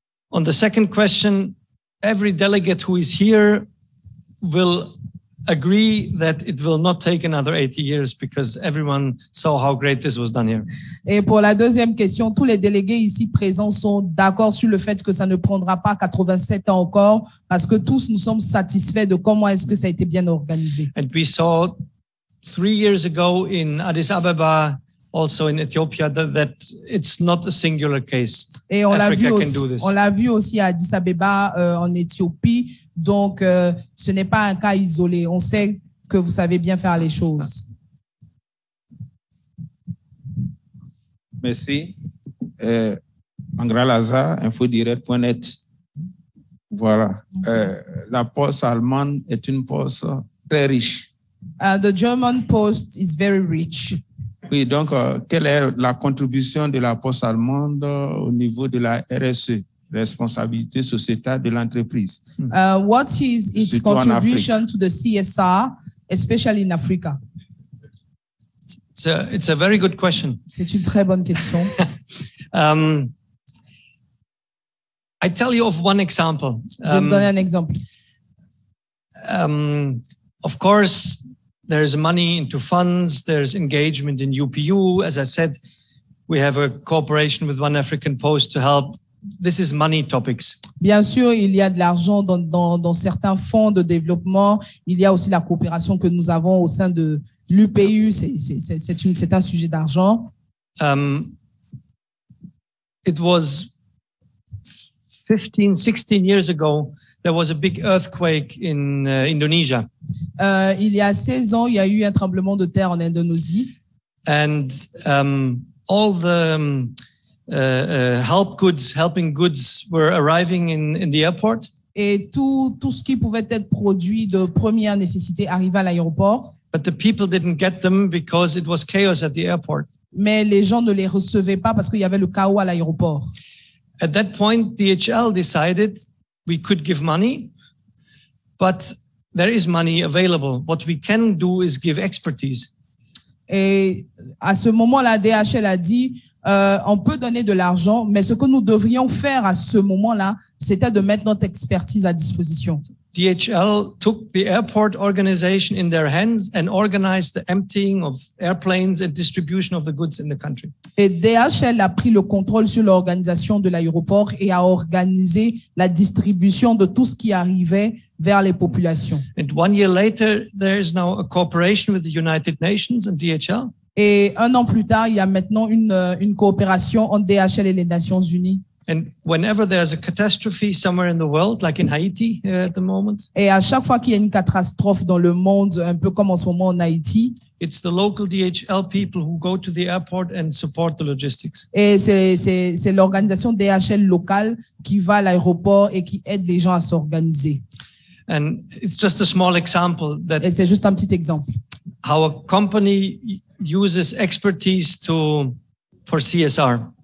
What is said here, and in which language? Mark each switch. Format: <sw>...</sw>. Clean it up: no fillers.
<en>On the second question, every delegate who is here will agree that it will not take another 80 years because everyone saw how great this was done here.</en> <fr>Et pour la deuxième question, tous les délégués ici présents sont d'accord sur le fait que ça ne prendra pas 87 ans encore parce que tous nous sommes satisfaits de comment est-ce que ça a été bien organisé.</fr> <en>And we saw 3 years ago in Addis Ababa, also in Ethiopia, that it's not a singular case.</en> <fr>Et on Africa l'a vu aussi, on l'a vu aussi à Addis Ababa en Éthiopie. Donc, ce n'est pas un cas isolé. On sait que vous savez bien faire les choses. Merci. Angra Laza, infodirect.net. Voilà. La poste allemande est une poste très riche.</fr> <en>The German post is very rich.</en> <fr>Oui, donc, quelle est la contribution de la poste allemande au niveau de la RSE, responsabilité sociétale de l'entreprise?</fr> <en>What is its contribution to the CSR, especially in Africa? It's a very good question.</en> <fr>C'est une très bonne question.</fr> <en>I tell you of one example.</en> <fr>Je vous donne un exemple.</fr> <en>Of course, there's money into funds, there's engagement in UPU. As I said, we have a cooperation with One African Post to help. This is money topics.</en> <fr>Bien sûr, il y a de l'argent dans certains fonds de développement. Il y a aussi la coopération que nous avons au sein de l'UPU. C'est un sujet d'argent.</fr> <en>It was 15, 16 years ago, there was a big earthquake in Indonesia.</en> <fr>Il y a 16 ans, il y a eu un tremblement de terre en Indonésie.</fr> <en>And all the helping goods were arriving in the airport.</en> <fr>Et tout ce qui pouvait être produit de première nécessité arrivait à l'aéroport.</fr> <en>But the people didn't get them because it was chaos at the airport.</en> <fr>Mais les gens ne les recevaient pas parce qu'il y avait le chaos à l'aéroport.</fr> <en>At that point, DHL decided we could give money, but there is money available. What we can do is give expertise.</en> <fr>Et à ce moment-là, DHL a dit, on peut donner de l'argent, mais ce que nous devrions faire à ce moment-là, c'était de mettre notre expertise à disposition.</fr> <en>DHL took the airport organization in their hands and organized the emptying of airplanes and distribution of the goods in the country.</en> <fr>Et DHL a pris le contrôle sur l'organisation de l'aéroport et a organisé la distribution de tout ce qui arrivait vers les populations.</fr> <en>And 1 year later, there is now a cooperation with the United Nations and DHL.</en> <fr>Et un an plus tard, il y a maintenant une coopération entre DHL et les Nations Unies.</fr> <en>And whenever there's a catastrophe somewhere in the world, like in Haiti at the moment,</en> <fr>et à chaque fois qu'il y a une catastrophe dans le monde, un peu comme en ce moment en Haïti,</fr> <en>it's the local DHL people who go to the airport and support the logistics.</en> <fr>Et c'est l'organisation DHL locale qui va à l'aéroport et qui aide les gens à s'organiser.</fr> <en>And it's just a small example that.</en> <fr>Et c'est juste un petit exemple.</fr> <en>How a company uses expertise for CSR.</en>